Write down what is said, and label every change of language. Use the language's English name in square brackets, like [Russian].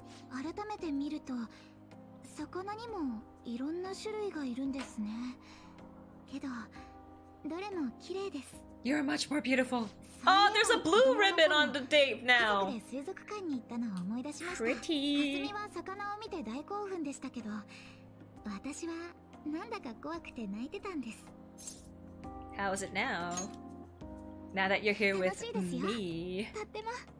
[Japanese] 改めて見ると魚にもいろんな種類がいるんですね。けどどれも綺麗です。 [English] You're much more beautiful. Oh, there's a blue ribbon on the date now. [Japanese] 家族で水族館に行ったのを思い出しました。 [English] Pretty. [Japanese] かすみは魚を見て大興奮でしたけど、私はなんだか怖くて泣いてたんです。 [English] How is it now? Now that you're here with me. [Japanese] 楽しいですよ。とっても。